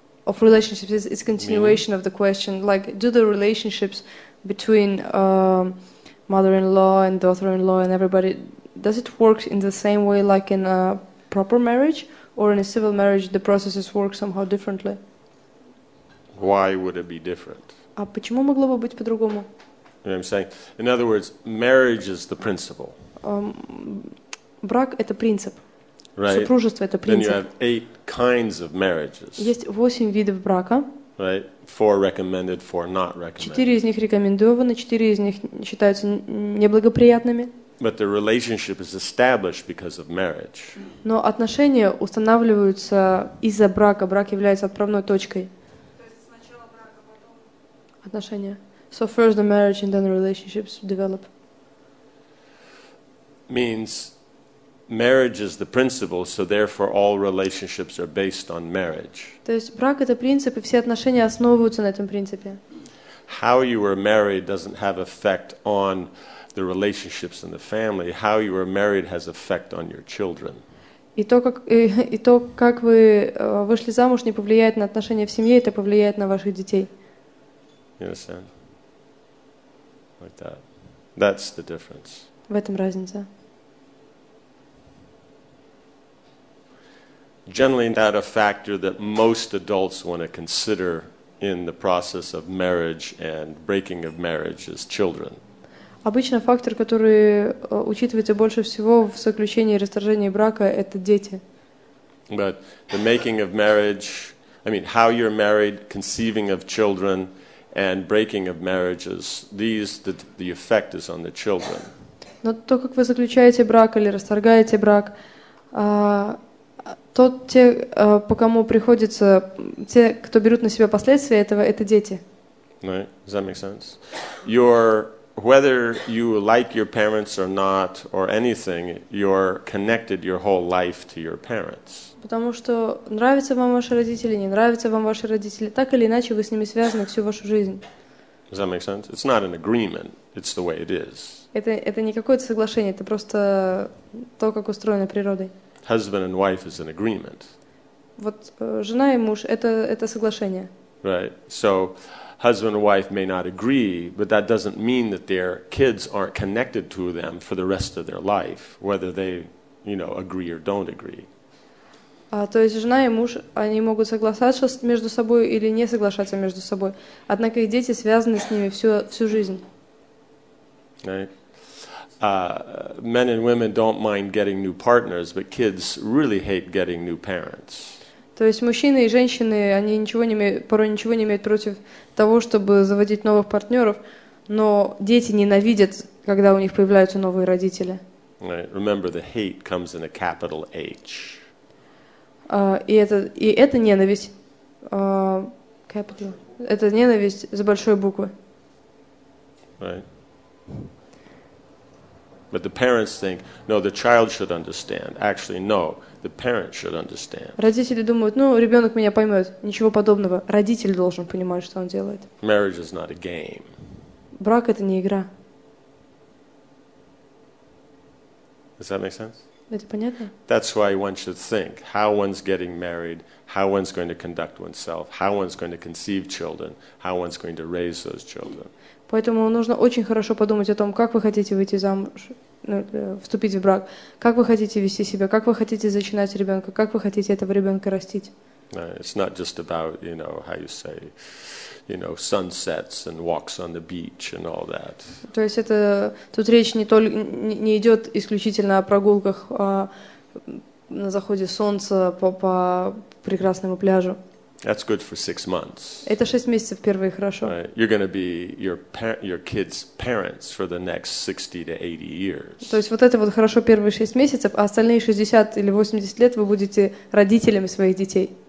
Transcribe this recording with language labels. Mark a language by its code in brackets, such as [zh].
[en] Of relationships, it's continuation of the question. Like, do the relationships between mother-in-law and daughter-in-law and everybody, does it work in the same way like in a proper marriage? Or in a civil marriage, the processes work somehow differently. Why would it be different? [ru] А почему могло бы быть по-другому? [en] You know what I'm saying? In other words, marriage is the principle. [ru] Брак – это принцип. [en] Right? [ru] Супружество – это принцип. [en] Then you have 8 kinds of marriages. [ru] Есть 8 видов брака. [en] Right? 4 recommended, 4 not recommended. [ru] 4 из них рекомендованы, 4 из них считаются неблагоприятными. [en] But the relationship is established because of marriage. [ru] Но отношения устанавливаются из-за брака. Брак является отправной точкой. То есть сначала брак, а потом отношения. [en] So first the marriage and then relationships develop. Means marriage is the principle, so therefore all relationships are based on marriage. [ru] То есть брак это принцип, и все отношения основываются на этом принципе. [en] How you were married doesn't have effect on the relationships in the family, how you are married has effect on your children. [ru] И то, как вы вышли замуж, не повлияет на отношения в семье, это повлияет на ваших детей. [en] You understand? Like that. That's the difference. [ru] В этом разница. [en] Generally, that a factor that most adults want to consider in the process of marriage and breaking of marriage is children. [ru] Обычно фактор, который учитывается больше всего в заключении и расторжении брака, это дети. [en] But the making of marriage, I mean, how you're married, conceiving of children, and breaking of marriages, the effect is on the children. [ru] Но то, как вы заключаете брак или расторгаете брак, Тот, те, по кому приходится, те, кто берут на себя последствия этого, это дети. [en] Right. Does that make sense? Your, whether you like your parents or not, or anything, you're connected your whole life to your parents. [ru] Потому что нравятся вам ваши родители, не нравятся вам ваши родители, так или иначе вы с ними связаны всю вашу жизнь. [en] Does that make sense? It's not an agreement. It's the way it is. [ru] Это не какое-то соглашение, это просто то, как устроено природой. [en] Husband and wife is an agreement. [ru] Вот жена и муж это соглашение. [en] Right. So husband and wife may not agree, but that doesn't mean that their kids aren't connected to them for the rest of their life, whether they, you know, agree or don't agree. [ru] То есть жена и муж, они могут соглашаться между собой или не соглашаться между собой. Однако их дети связаны с ними всю жизнь. [en] Right. Men and women don't mind getting new partners, but kids really hate getting new parents. [ru] То есть мужчины и женщины, они ничего не имеют, порой ничего не имеют против того, чтобы заводить новых партнеров, но дети ненавидят, когда у них появляются новые родители. [en] Right. Remember, the hate comes in a capital H. [ru] И это ненависть, [en] capital, [ru] это ненависть за большой буквы. [en] Right. But the parents think, no, the child should understand. Actually, no, the parent should understand. [ru] Родители думают, ну, ребенок меня поймет. Ничего подобного. Родитель должен понимать, что он делает. [en] Marriage is not a game. [ru] Брак — это не игра. [en] Does that make sense? [ru] Это понятно? [en] That's why one should think how one's getting married, how one's going to conduct oneself, how one's going to conceive children, how one's going to raise those children. [ru] Поэтому нужно очень хорошо подумать о том, как вы хотите выйти замуж, ну, вступить в брак, как вы хотите вести себя, как вы хотите зачинать ребенка, как вы хотите этого ребенка растить. [en] It's not just about, you know, how you say, you know, sunsets and walks on the beach and all that. [ru] То есть это тут речь не идет исключительно о прогулках на заходе солнца по прекрасному пляжу. [en] That's good for 6 months. [ru] Это 6 месяцев первые хорошо. [en] You're going to be your kids' parents for the next 60 to 80 years. [ru] То есть вот это вот хорошо первые 6 месяцев, а остальные 60 или 80 лет вы будете родителями своих детей.